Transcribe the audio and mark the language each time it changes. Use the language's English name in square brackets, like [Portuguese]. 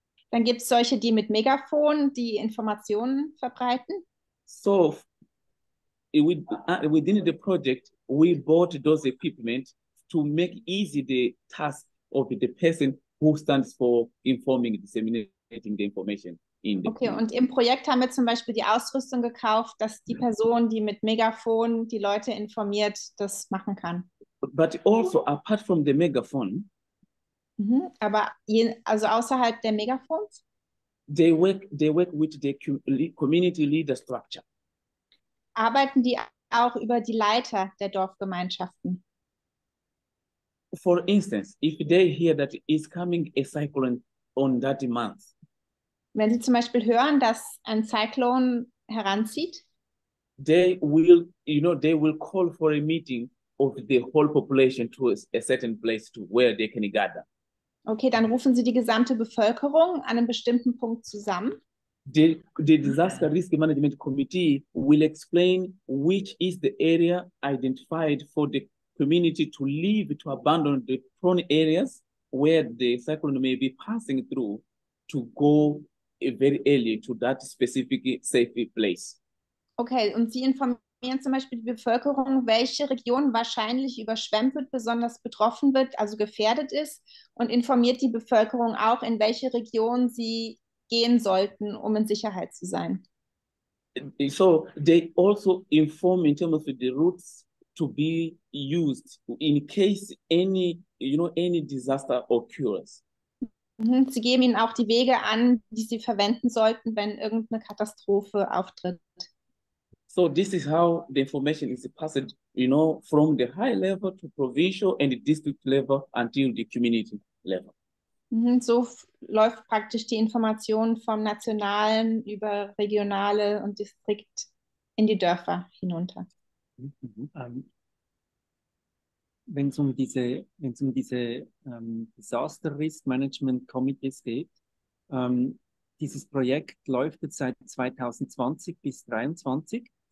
[German] Dann gibt es solche, die mit Megafon die Informationen verbreiten. [English] So within the project, we bought those equipment to make easy the task of the person who stands for informing, disseminating the information in the Okay, [German] und im Projekt haben wir zum Beispiel die Ausrüstung gekauft, dass die Person, die mit Megafon die Leute informiert, das machen kann. [English] But also apart from the megaphone, [German] Aber also außerhalb der Megafons? [English] they work with the community leader structure. [German] Arbeiten die auch über die Leiter der Dorfgemeinschaften? [English] For instance, if they hear that is coming a cyclone on that month, [German] Wenn Sie zum Beispiel hören, dass ein Zyklon heranzieht, [English] they will call for a meeting of the whole population to a certain place to where they can gather. [German] Okay, dann rufen Sie die gesamte Bevölkerung an einem bestimmten Punkt zusammen. [English] The Disaster Risk Management Committee will explain which is the area identified for the community to leave, to abandon the prone areas where the cyclone may be passing through, to go very early to that specific safe place. [German] Okay, und Sie informieren zum Beispiel die Bevölkerung, welche Region wahrscheinlich überschwemmt wird, besonders betroffen wird, also gefährdet ist, und informiert die Bevölkerung auch, in welche Region sie gehen sollten, um in Sicherheit zu sein. [English] So, they also inform in terms of the routes to be used in case any, you know, any disaster occurs. [German] Sie geben ihnen auch die Wege an, die sie verwenden sollten, wenn irgendeine Katastrophe auftritt. [English] So this is how the information is passed, you know, from the high level to provincial and district level until the community level. [German] So läuft praktisch die Information vom nationalen über regionale und Distrikt in die Dörfer hinunter. Wenn es um diese Disaster Risk Management Committees geht, dieses Projekt läuft jetzt seit 2020 bis 2023.